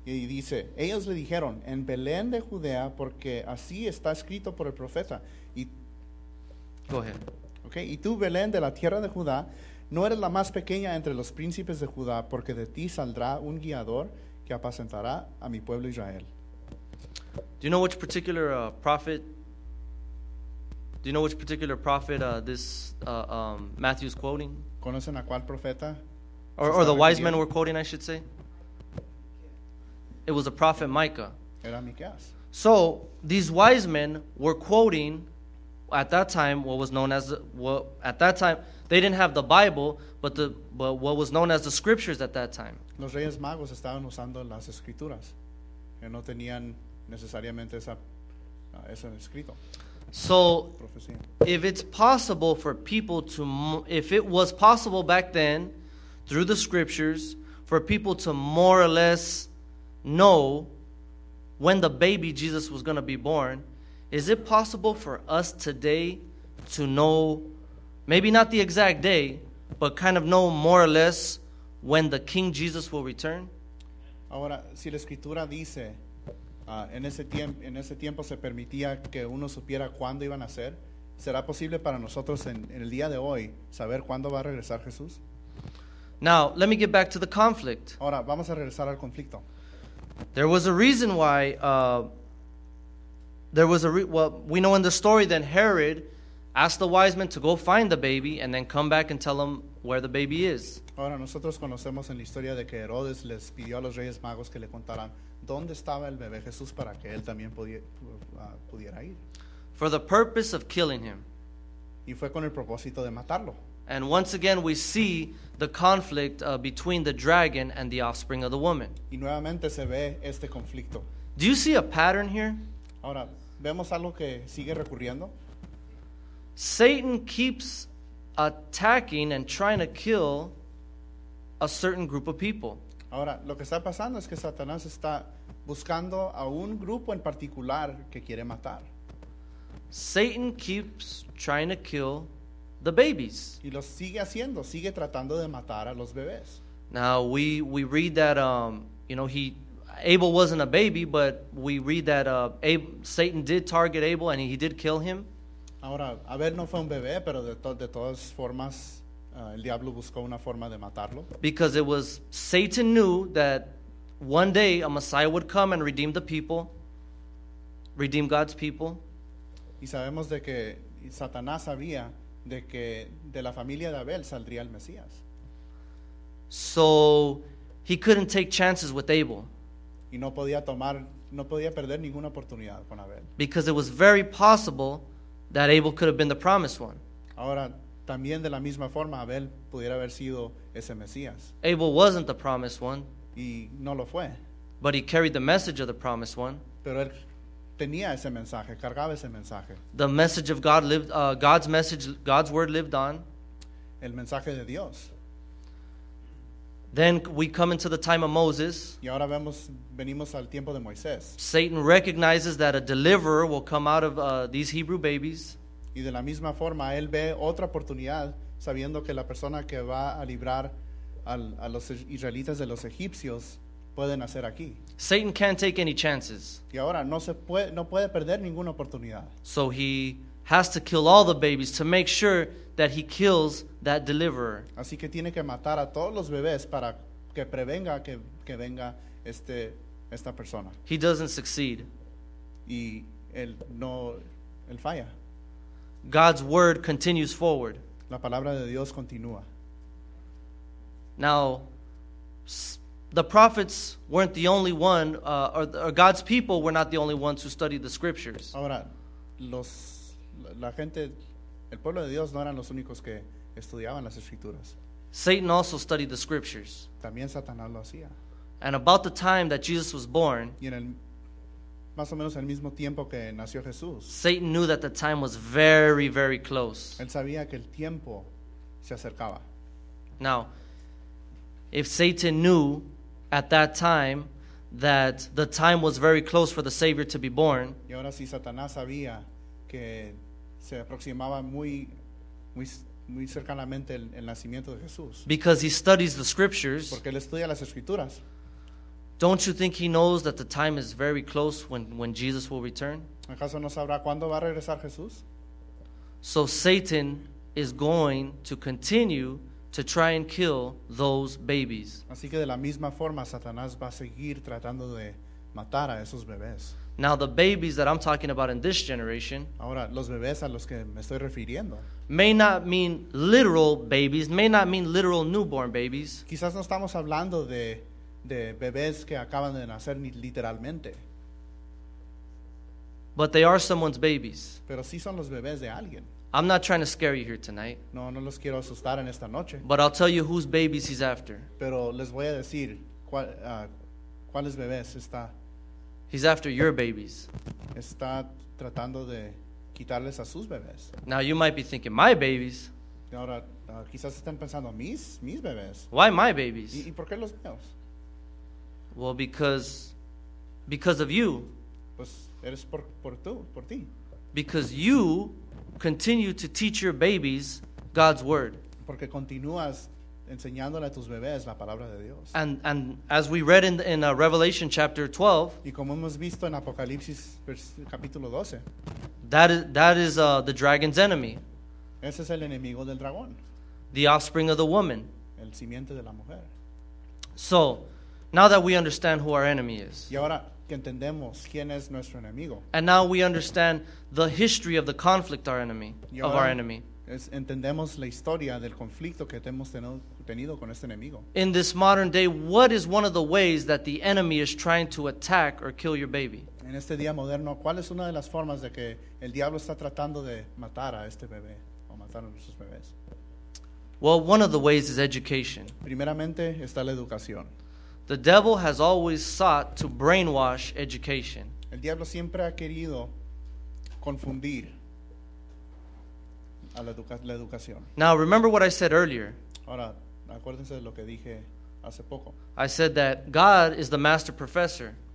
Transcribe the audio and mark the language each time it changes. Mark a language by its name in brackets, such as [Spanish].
[Spanish] Y dice: ellos le dijeron, en Belén de Judea, porque así está escrito por el profeta. Y, [English] go ahead. Okay. [Spanish] Y tú, Belén, de la tierra de Judá, no eres la más pequeña entre los príncipes de Judá, porque de ti saldrá un guiador que apacentará a mi pueblo Israel. [English] Do you know which particular prophet Matthew's quoting? [Spanish] ¿Conocen a cuál profeta? [English] Or the wise men were quoting, I should say. It was a prophet Micah. [Spanish] Era Miqueas. [English] So these wise men were quoting at that time what was known as they didn't have the Bible, but what was known as the scriptures at that time. [Spanish] Los reyes magos estaban usando las escrituras, que no tenían necesariamente ese escrito. [English] So, if it's possible for people to, if it was possible back then, through the scriptures, for people to more or less know when the baby Jesus was going to be born, is it possible for us today to know, maybe not the exact day, but kind of know more or less when the King Jesus will return? [Spanish] Ahora, si la escritura dice, en ese tiempo se permitía que uno supiera cuándo iban a ser. ¿Será posible para nosotros en el día de hoy saber cuándo va a regresar Jesús? [English] Now, let me get back to the conflict. [Spanish] Ahora, vamos a regresar al conflicto. [English] There was a reason why, we know in the story then Herod asked the wise men to go find the baby and then come back and tell them where the baby is. [Spanish] Ahora, nosotros conocemos en la historia de que Herodes les pidió a los reyes magos que le contaran dónde estaba el bebé Jesús para que él también pudiera ir. [English] For the purpose of killing him. [Spanish] Y fue con el propósito de matarlo. [English] And once again we see the conflict between the dragon and the offspring of the woman. [Spanish] Y nuevamente se ve este conflicto. [English] Do you see a pattern here? [Spanish] Ahora, ¿vemos algo que sigue recurriendo? [English] Satan keeps attacking and trying to kill a certain group of people. [Spanish] Ahora, lo que está pasando es que Satanás está buscando a un grupo en particular que quiere matar. [English] Satan keeps trying to kill the babies. [Spanish] Y lo sigue haciendo, sigue tratando de matar a los bebés. [English] Now, we read that, Abel wasn't a baby, but we read that Satan did target Abel and he did kill him. [Spanish] Ahora, Abel no fue un bebé, pero de todas formas, el diablo buscó una forma de matarlo. [English] Because it was Satan knew that one day a Messiah would come and redeem the people, redeem God's people. [Spanish] Y sabemos de que Satanás sabía de que de la familia de Abel saldría el Mesías. [English] So He couldn't take chances with Abel. [Spanish] Y no podía tomar, no podía perder ninguna oportunidad con Abel. [English] Because it was very possible that Abel could have been the promised one. [Spanish] Ahora, también de la misma forma, Abel pudiera haber sido ese Mesías. [English] Abel wasn't the promised one. [Spanish] Y no lo fue. [English] But he carried the message of the promised one. [Spanish] Pero él tenía ese mensaje, cargaba ese mensaje. [English] The message of God lived, God's message, God's word lived on. [Spanish] El mensaje de Dios. [English] Then we come into the time of Moses. [Spanish] Y ahora vemos, venimos al tiempo de Moisés. [English] Satan recognizes that a deliverer will come out of these Hebrew babies. [Spanish] Y de la misma forma, él ve otra oportunidad, sabiendo que la persona que va a librar a los israelitas de los egipcios pueden hacer aquí. [English] Satan can't take any chances. [Spanish] Y ahora no puede perder ninguna oportunidad. [English] So he has to kill all the babies to make sure that he kills that deliverer. [Spanish] Así que tiene que matar a todos los bebés para que prevenga que venga esta persona. [English] He doesn't succeed. [Spanish] Y él falla. [English] God's word continues forward. [Spanish] La palabra de Dios continúa. [English] Now, the prophets weren't the only one, or God's people were not the only ones who studied the scriptures. [Spanish] Ahora, la gente, el pueblo de Dios no eran los únicos que estudiaban las escrituras. [English] Satan also studied the scriptures. [Spanish] También Satanás lo hacía. [English] And about the time that Jesus was born, [Spanish] y en el, más o menos el mismo tiempo que nació Jesús, [English] Satan knew that the time was very, very close. [Spanish] Él sabía que el tiempo se acercaba. [English] Now, if Satan knew at that time that the time was very close for the Savior to be born, [Spanish] y ahora si Satanás sabía que se aproximaba muy, muy, muy cercanamente el nacimiento de Jesús, [English] because he studies the scriptures, [Spanish] porque él estudia las escrituras, [English] don't you think he knows that the time is very close when Jesus will return? [Spanish] ¿Acaso no sabrá cuándo va a regresar Jesús? [English] So Satan is going to continue to try and kill those babies. [Spanish] Así que de la misma forma, Satanás va a seguir tratando de matar a esos bebés. [English] Now the babies that I'm talking about in this generation, [Spanish] ahora, los bebés a los que me estoy refiriendo, [English] may not mean literal babies, may not mean literal newborn babies. [Spanish] Quizás no estamos hablando de bebés que acaban de nacer literalmente. [English] But they are someone's babies. [Spanish] Pero sí son los bebés de alguien. [English] I'm not trying to scare you here tonight. [Spanish] No, no los quiero asustar en esta noche. [English] But I'll tell you whose babies he's after. [Spanish] Pero les voy a decir cuáles bebés está. [English] He's after your babies. [Spanish] Está tratando de quitarles a sus bebés. [English] Now you might be thinking, my babies. [Spanish] Ahora quizás están pensando, mis bebés. [English] Why my babies? [Spanish] ¿Y por qué los míos? [English] Well, because of you. [Spanish] Pues eres por ti. [English] Because you continue to teach your babies God's word. [Spanish] Porque continúas enseñándole a tus bebés la palabra de Dios. [English] And as we read in Revelation chapter 12. [Spanish] Y como hemos visto en Apocalipsis capítulo 12. [English] That is the dragon's enemy. [Spanish] Ese es el enemigo del dragón. [English] The offspring of the woman. [Spanish] El simiente de la mujer. [English] So, now that we understand who our enemy is. [Spanish] Y ahora que entendemos quién es nuestro enemigo. [English] And now we understand the history of the conflict our enemy, [Spanish] y ahora [English] of our enemy. [Spanish] Entendemos la historia del conflicto que hemos tenido con este enemigo. [English] In this modern day, what is one of the ways that the enemy is trying to attack or kill your baby? [Spanish] En este día moderno, ¿cuál es una de las formas de que el diablo está tratando de matar a este bebé o matar a nuestros bebés? [English] Well, one of the ways is education. [Spanish] Primeramente está la educación. [English] The devil has always sought to brainwash education. [Spanish] El diablo siempre ha querido confundir a la educación. [English] Now, remember what I said earlier. [Spanish] Ahora, acuérdense de lo que dije hace poco. [English] I said that God is the master professor.